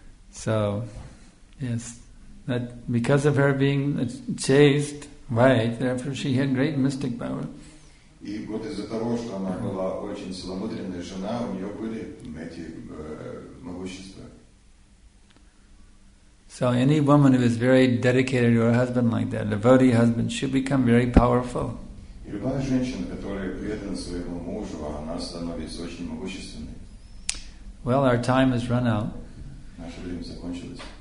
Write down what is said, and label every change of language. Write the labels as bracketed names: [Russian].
[English] So, yes, that because of her being chaste, right, therefore she had great mystic power. [Russian] И вот из-за того, что она была очень целомудренная жена, у нее были эти могущества. [English] So any woman who is very dedicated to her husband like that, a devotee husband, should become very powerful. [Russian] И любая женщина, которая предана своему мужу, она становится очень могущественной. [English] Well, our time has run out. [Russian] Наше время закончилось.